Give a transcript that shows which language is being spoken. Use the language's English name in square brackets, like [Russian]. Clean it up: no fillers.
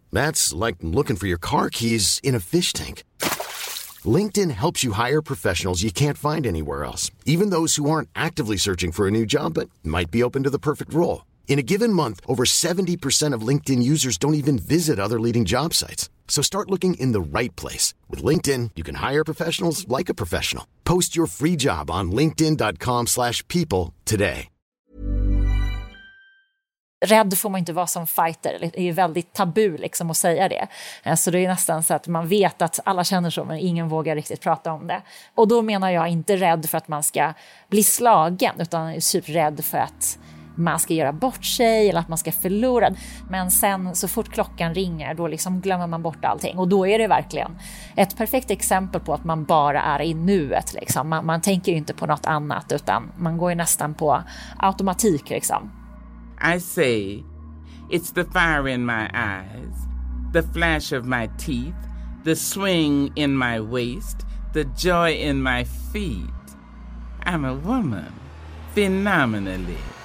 [English] That's like looking for your car keys in a fish tank. LinkedIn helps you hire professionals you can't find anywhere else, even those who aren't actively searching for a new job but might be open to the perfect role. In a given month, over 70% of LinkedIn users don't even visit other leading job sites. So start looking in the right place. With LinkedIn, you can hire professionals like a professional. Post your free job on linkedin.com/people today. [Swedish] Rädd får man inte vara som fighter. Det är ju väldigt tabu liksom att säga det. Så det är nästan så att man vet att alla känner så, men ingen vågar riktigt prata om det. Och då menar jag inte rädd för att man ska bli slagen, utan superrädd för att man ska göra bort sig eller att man ska förlora. Men sen så fort klockan ringer, då liksom glömmer man bort allting. Och då är det verkligen ett perfekt exempel på att man bara är i nuet. Liksom. Man tänker ju inte på något annat, utan man går ju nästan på automatik liksom. [English] I see. It's the fire in my eyes, the flash of my teeth, the swing in my waist, the joy in my feet. I'm a woman, phenomenally.